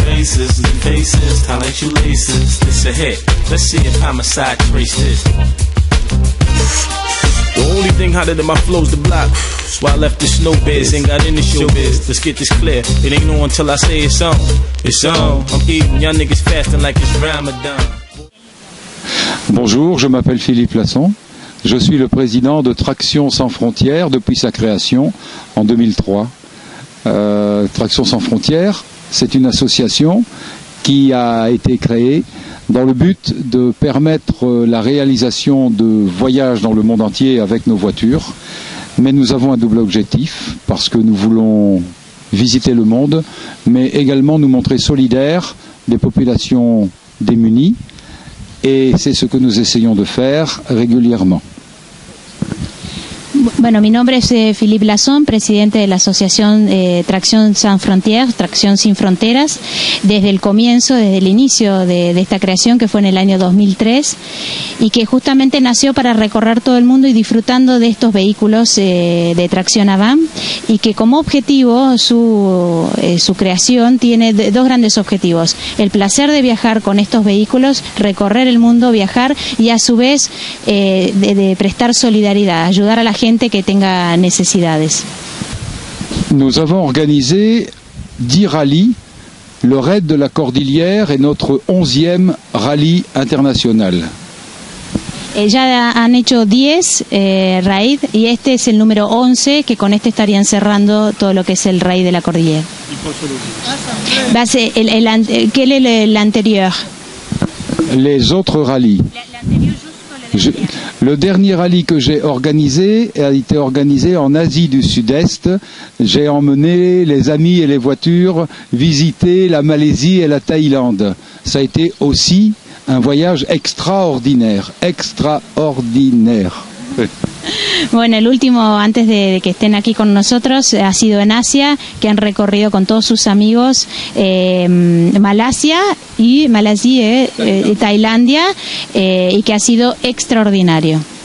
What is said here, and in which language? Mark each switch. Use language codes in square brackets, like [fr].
[en] Races, the faces, tie like shoelaces. It's a hit, let's see if homicide traces. The only thing hotter than my flow's the block. That's why I left the snow biz and got in the showbiz. Let's get this clear, it ain't no until I say it's on. It's on, I'm eating y'all niggas fasting like it's Ramadan. [fr] Bonjour, je m'appelle Philippe Lasson. Je suis le président de Traction Sans Frontières depuis sa création en 2003. Traction Sans Frontières, c'est une association qui a été créée dans le but de permettre la réalisation de voyages dans le monde entier avec nos voitures. Mais nous avons un double objectif, parce que nous voulons visiter le monde, mais également nous montrer solidaires des populations démunies. Et c'est ce que nous essayons de faire régulièrement. [es] Bueno, mi nombre es Philippe Lasson, presidente de la asociación Tracción Sans Frontières, Tracción Sin Fronteras. Desde el comienzo, desde el inicio de esta creación, que fue en el año 2003, y que justamente nació para recorrer todo el mundo y disfrutando de estos vehículos de tracción Avant, y que como objetivo, su creación tiene dos grandes objetivos. El placer de viajar con estos vehículos, recorrer el mundo, viajar, y a su vez de prestar solidaridad, ayudar a la gente que tenga necesidades. [fr] Nous avons organisé 10 rallyes, le raid de la Cordillère est notre 11e rallye international. [es] Ya han hecho 10 raid y este es el número 11, que con este estarían cerrando todo lo que es el raid de la Cordillère. Base el quel est el anterior? [fr] Les autres rallyes. Le dernier rallye que j'ai organisé a été organisé en Asie du Sud-Est. J'ai emmené les amis et les voitures visiter la Malaisie et la Thaïlande. Ça a été aussi un voyage extraordinaire, extraordinaire. [es] Bueno, el último, antes de que estén aquí con nosotros, ha sido en Asia, que han recorrido con todos sus amigos Malasia y Tailandia, y que ha sido extraordinario.